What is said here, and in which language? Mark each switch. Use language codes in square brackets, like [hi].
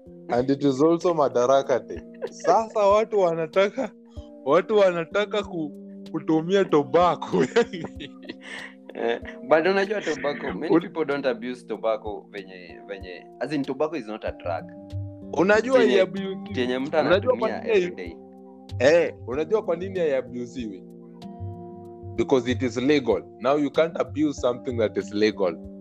[en] And it is also Madaraka day. [sw] Sasa watu wanataka ku kutumia tobacco. [en] But unajua tobacco, many people don't abuse tobacco venye as in tobacco is not a drug. [sw] Unajua ya abuse tena mtu anatumia everyday. Unajua kwa nini ya abuse? [en] Because it is legal. Now you can't abuse something that is legal.